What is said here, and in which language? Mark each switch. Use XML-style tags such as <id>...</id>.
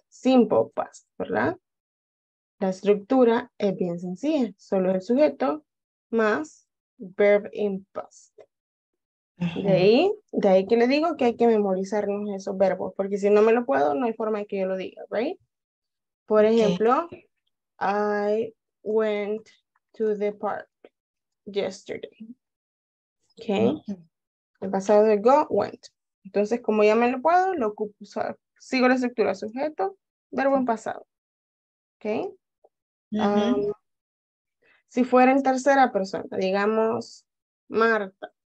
<es>Simple past, ¿verdad? La estructura es bien sencilla. Solo el sujeto más</es> <en>verb in past.</en> <es>De ahí que le digo que hay que memorizarnos esos verbos, porque si no me lo puedo, no hay forma de que yo lo diga, right? Por ejemplo,</es> <en>okay. I went to the park yesterday.</en> <es>Okay. El pasado de go, went. Entonces, como ya me lo puedo, lo ocupo, o sea, sigo la estructura sujeto, verbo en pasado. Okay. Uh-huh. Si fuera en tercera persona, digamos, Marta.</es>